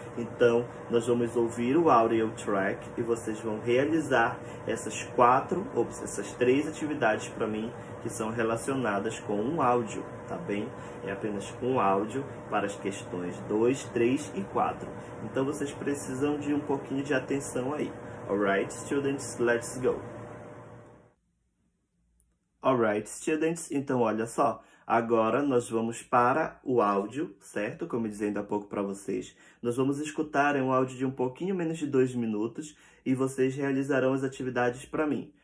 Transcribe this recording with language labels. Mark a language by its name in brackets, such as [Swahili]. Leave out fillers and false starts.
[Portuguese] Então, nós vamos ouvir o audio track e vocês vão realizar essas quatro, ou essas três atividades para mim que são relacionadas com um áudio, tá bem? É apenas um áudio para as questões 2, 3 e 4. Então, vocês precisam de um pouquinho de atenção aí. [English] Alright, students, let's go. Alright, students, [Portuguese] então olha só. Agora nós vamos para o áudio, certo? Como eu disse ainda há pouco para vocês, nós vamos escutar um áudio de um pouquinho menos de 2 minutos e vocês realizarão as atividades para mim.